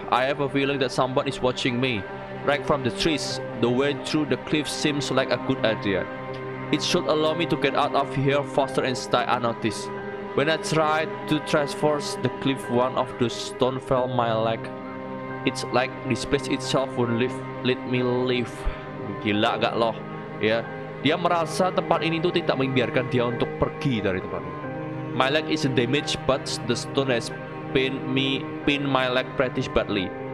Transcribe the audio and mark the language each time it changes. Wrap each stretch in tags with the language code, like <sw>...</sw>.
<en>I have a feeling that someone is watching me. Right from the trees, the way through the cliff seems like a good idea. It should allow me to get out of here faster and stay unnoticed. When I tried to traverse the cliff, one of the stone fell my leg. It's like this place itself won't let me leave.</en> <id>Gila gak loh, ya. Dia merasa tempat ini tuh tidak membiarkan dia untuk pergi dari tempat ini.</id> <en>My leg isn't damaged, but the stone has pinned my leg pretty badly.</en>